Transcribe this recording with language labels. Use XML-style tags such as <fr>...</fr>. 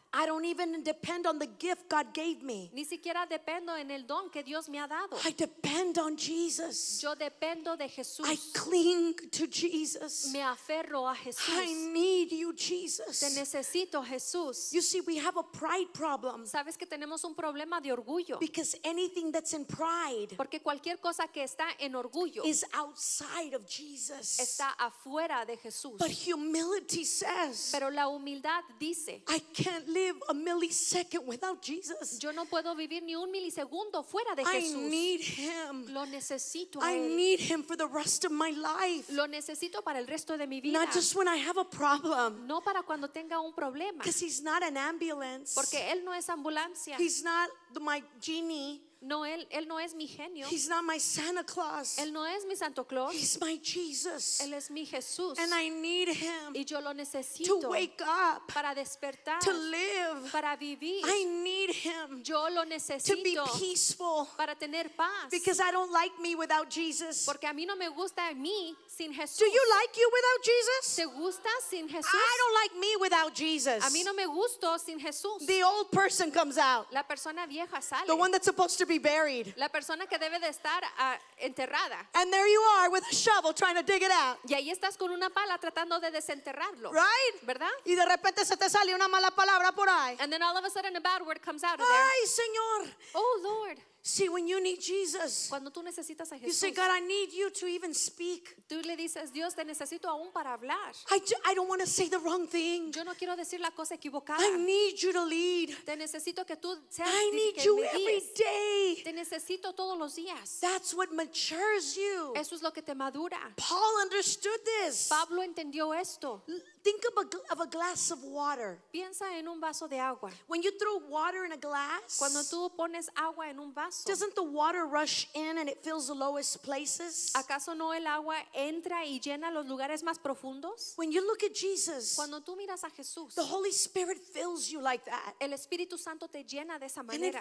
<en>I don't even depend on the gift God gave me.</en> <es>Ni siquiera dependo en el don que Dios me ha dado.</es> <en>I depend on Jesus.</en> <es>Yo dependo de Jesús.</es> <en>I cling to Jesus.</en> <es>Me aferro a Jesús.</es> <en>I need you, Jesus.</en> <es>Te necesito, Jesús.</es> <en>You see, we have a pride problem.</en> <es>Sabes que tenemos un problema de orgullo.</es> <en>Because anything that's in pride,</en> <es>porque cualquier cosa que está en orgullo,</es> <en>is outside of Jesus.</en> <es>Está afuera de Jesús.</es> <en>But humility says,</en> <es>pero la humildad dice,</es> <en>I can't live a millisecond without Jesus.</en> <es>Yo no puedo vivir ni un milisegundo fuera de Jesús.</es> <en>I need him.</en> <es>Lo necesito.</es> <en>I need him for the rest of my life.</en> <es>Lo necesito para el resto de mi vida.</es> <en>Not just when I have a problem.</en> <es>No para cuando tenga un problema.</es> <en>Because he's not an ambulance.</en> <es>Porque él no es ambulancia.</es> <en>He's not my genie.</en> <es>No, él no es mi genio.</es> <en>He's not my Santa Claus.</en> <es>Él no es mi Santo Claus.</es> <en>He's my Jesus.</en> <es>Él es mi Jesús.</es> <en>And I need him.</en> <es>Y yo lo necesito.</es> <en>To wake up.</en> <es>Para despertar.</es> <en>To live.</en> <es>Para vivir.</es> <en>I need him.</en> <es>Yo lo necesito.</es> <en>To be peaceful.</en> <es>Para tener paz.</es> <en>Because I don't like me without Jesus.</en> <es>Porque a mí no me gusta a mí sin Jesús.</es> <en>Do you like you without Jesus?</en> <es>¿Te gusta sin Jesús?</es> <en>I don't like me without Jesus.</en> <es>A mí no me gusto sin Jesús.</es> <en>The old person comes out.</en> <es>La persona vieja sale.</es> <en>The one that's supposed to be buried.</en> <es>La persona que debe de estar enterrada.</es> <en>And there you are with a shovel trying to dig it out.</en> <es>Y ahí estás con una pala tratando de desenterrarlo.</es> <en>Right?</en> <es>¿Verdad? Y de repente se te sale una mala palabra por ahí.</es> <en>And then all of a sudden a bad word comes out of Ay, there.</en> <es>Ay, Señor.</es> <en>Oh, Lord. See, when you need Jesus,</en> <es>cuando tú necesitas a Jesús,</es> <en>you say, God, I need you to even speak.</en> <es>Tú le dices, Dios, te necesito aún para hablar.</es> <en>I don't want to say the wrong thing.</en> <es>Yo no quiero decir la cosa equivocada.</es> <en>I need you to lead.</en> <es>Te necesito que tú seas,</es> <en>I need</en> <es>que</es> <en>you</en> <es>me</es> <en>every</en> <es>guíes.</es> <en>Day.</en> <es>Te necesito todos los días.</es> <en>That's what matures you.</en> <es>Eso es lo que te madura.</es> <en>Paul understood this.</en> <es>Pablo entendió esto.</es> <en>Think of a glass of water.</en> <es>Piensa en un vaso de agua.</es> <en>When you throw water in a glass,</en> <es>cuando tú pones agua en un vaso,</es> <en>doesn't the water rush in and it fills the lowest places?</en> <es>¿Acaso no el agua entra y llena los lugares más profundos?</es> <en>When you look at Jesus,</en> <es>cuando tú miras a Jesús,</es> <en>the Holy Spirit fills you like that.</en> <es>El Espíritu Santo te llena de esa manera.</es>